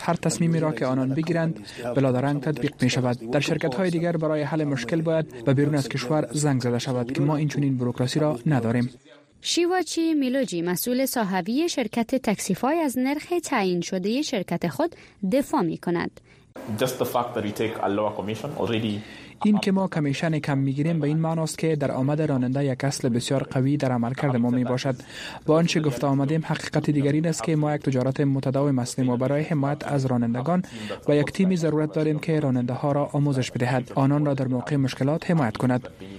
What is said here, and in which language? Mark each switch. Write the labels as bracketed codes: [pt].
[fa] هر تصمیمی را که آنان بگیرند بلادرنگ تطبیق می‌شود. در شرکت‌های دیگر برای حل مشکل باید به بیرون از کشور زنگ زده شود که ما اینچنین بروکراسی را نداریم. شیواچی میلوجی مسئول صاحبی شرکت تاکسیفای از نرخ تعیین شده شرکت خود دفاع می‌کند. [en] Just the fact that we take a lower commission already. [fa] این که ما کمیشن کم میگیریم به این معناست که در آمد راننده یک اصل بسیار قوی در عمل کرده ما میباشد. با آنچه گفته آمدیم، حقیقت دیگر این است که ما یک تجارت متداوم هستیم و برای حمایت از رانندگان و یک تیمی ضرورت داریم که راننده ها را آموزش بدهد، آنان را در موقع مشکلات حمایت کند.